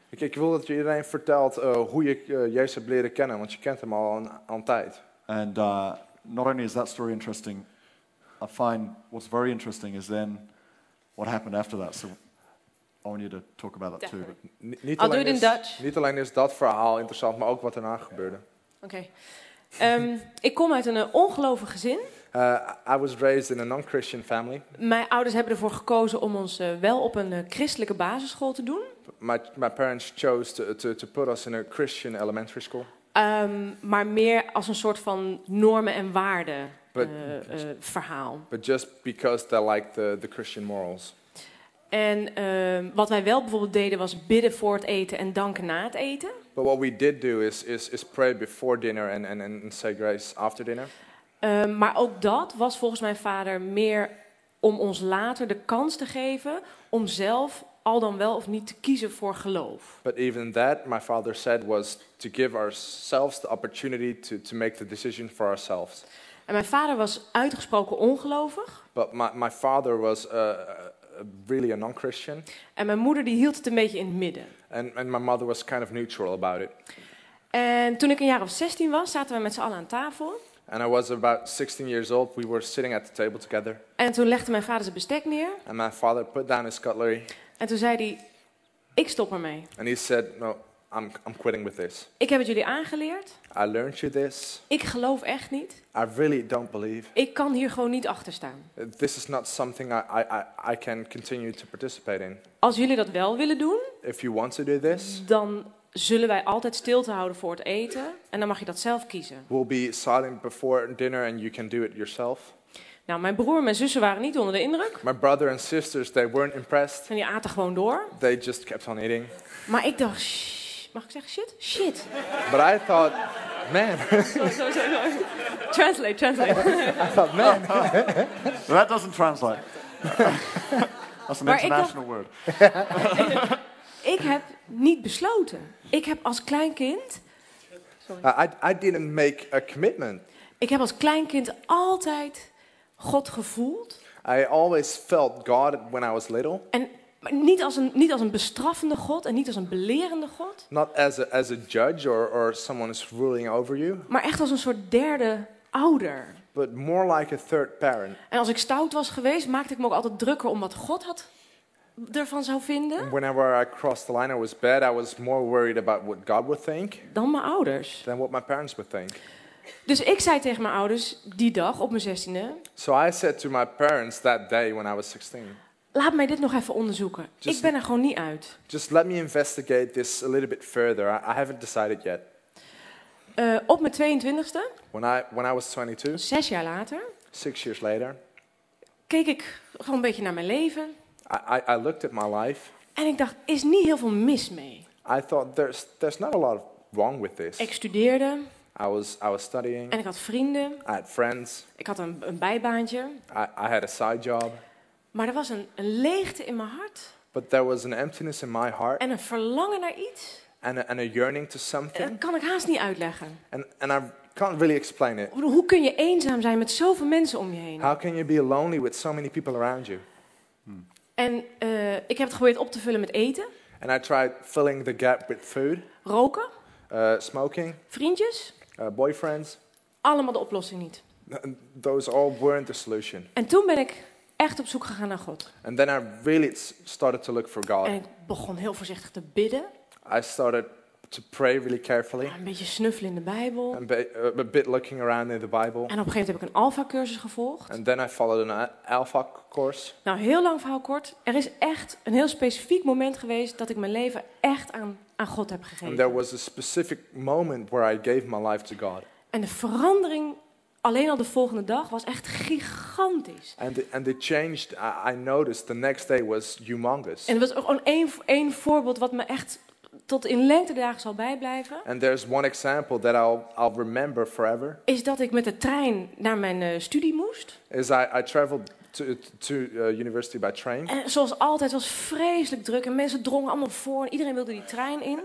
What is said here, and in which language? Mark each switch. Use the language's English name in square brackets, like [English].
[Dutch] Ik wil dat je iedereen vertelt hoe je Jezus hebt leren kennen, want je kent hem al een tijd. [English] And not only is that story interesting, I find what's very interesting is then what happened after that. So I want you to talk about that too. I'll do it in Dutch. [Dutch] Niet alleen is dat verhaal interessant, maar ook wat daarna gebeurde. [English] Okay. [Dutch] ik kom uit een ongelovig gezin. [English] I was raised in a non-Christian family. [Dutch] Mijn ouders hebben ervoor gekozen om ons wel op een christelijke basisschool te doen. [English] My parents chose to put us in a Christian elementary school. [Dutch] Maar meer als een soort van normen en waarden verhaal. [English] But just because they like the Christian morals. [Dutch] En wat wij wel bijvoorbeeld deden was bidden voor het eten en danken na het eten. [English] But what we did do is pray before dinner and say grace after dinner. [Dutch] Maar ook dat was volgens mijn vader meer om ons later de kans te geven om zelf al dan wel of niet te kiezen voor geloof. [English] But even that, my father said, was to give ourselves the opportunity to make the decision for ourselves. [Dutch] En mijn vader was uitgesproken ongelovig. [English] But my father was really a non-Christian. [Dutch] En mijn moeder die hield het een beetje in het midden. [English] And my mother was kind of neutral about it. [Dutch] En toen ik een jaar of 16 was, zaten we met z'n allen aan tafel. [English] And I was about 16 years old. We were sitting at the table together. [Dutch] En toen legde mijn vader zijn bestek neer. [English] And my father put down his cutlery. [Dutch] En toen zei hij, ik stop ermee. [English] And he said, no, I'm quitting with this. [Dutch] Ik heb het jullie aangeleerd. [English] I learned you this. [Dutch] Ik geloof echt niet. [English] I really don't believe. [Dutch] Ik kan hier gewoon niet achter staan. [English] This is not something I can continue to participate in. [Dutch] Als jullie dat wel willen doen, [English] if you want to do this, [Dutch] dan zullen wij altijd stilte houden voor het eten en dan mag je dat zelf kiezen. [English] We'll be silent before dinner and you can do it yourself. [Dutch] Nou, mijn broer en mijn zussen waren niet onder de indruk. [English] My brother and sisters, they weren't impressed. [Dutch] En die aten gewoon door. [English] They just kept on eating. [Dutch] Maar ik dacht, mag ik zeggen shit? [English] Shit. But I thought, man. Sorry. Translate. I thought, man. That doesn't translate. That's an international word. [Dutch] Ik heb niet besloten. Ik heb als kleinkind. [English] I didn't make a commitment. [Dutch] Ik heb als kleinkind altijd God gevoeld. [English] I always felt God when I was little. [Dutch] En niet als een bestraffende God en niet als een belerende God. [English] Not as a judge or someone is ruling over you. [Dutch] Maar echt als een soort derde ouder. [English] But more like a third parent. [Dutch] En als ik stout was geweest, maakte ik me ook altijd drukker om wat God had ervan zou vinden. [English] Whenever I crossed the line, I was bad. I was more worried about what God would think. [Dutch] Dan mijn ouders. [English] Than what my parents would think. [Dutch] Dus ik zei tegen mijn ouders die dag op mijn 16e. [English] So I said to my parents that day when I was 16. [Dutch] Laat mij dit nog even onderzoeken. Just, ik ben er gewoon niet uit. [English] Just let me investigate this a little bit further. I haven't decided yet. [Dutch] Op mijn 22e. [English] When I was 22. [Dutch] 6 jaar later. [English] 6 years later. [Dutch] Keek ik gewoon een beetje naar mijn leven. [English] I looked at my life. [Dutch] En ik dacht, is niet heel veel mis mee. [English] I thought there's not a lot wrong with this. [Dutch] Ik studeerde. [English] I was studying. [Dutch] En ik had vrienden. [English] I had friends. [Dutch] Ik had een bijbaantje. [English] I had a side job. [Dutch] Maar er was een leegte in mijn hart. [English] But there was an emptiness in my heart. [Dutch] En een verlangen naar iets. [English] And a yearning to something. [Dutch] Dat kan ik haast niet uitleggen. [English] And I can't really explain it. [Dutch] Hoe kun je eenzaam zijn met zoveel mensen om je heen? [English] How can you be lonely with so many people around you? [Dutch] En ik heb het geprobeerd op te vullen met eten. [English] And I tried filling the gap with food. [Dutch] Roken. [English] Smoking. [Dutch] Vriendjes. [English] Boyfriends. [Dutch] Allemaal de oplossing niet. [English] Those all weren't the solution. [Dutch] En toen ben ik echt op zoek gegaan naar God. [English] And then I really started to look for God. [Dutch] En ik begon heel voorzichtig te bidden. [English] I started to pray really carefully. [Dutch] Een beetje snuffelen in de Bijbel. [English] A bit looking around in the Bible. [Dutch] En op een gegeven moment heb ik een Alpha-cursus gevolgd. [English] And then I followed an Alpha course. [Dutch] Nou, heel lang verhaal kort. Er is echt een heel specifiek moment geweest dat ik mijn leven echt aan God heb gegeven. [English] And there was a specific moment where I gave my life to God. [Dutch] En de verandering alleen al de volgende dag was echt gigantisch. [English] And the change I noticed the next day was humongous. [Dutch] En het was gewoon één voorbeeld wat me echt tot in lengte dagen zal bijblijven. [English] And there's one example that I'll remember forever. [Dutch] Is dat ik met de trein naar mijn studie moest. [English] Is I traveled to university by train. [Dutch] En zoals altijd was vreselijk druk en mensen drongen allemaal voor en iedereen wilde die trein in.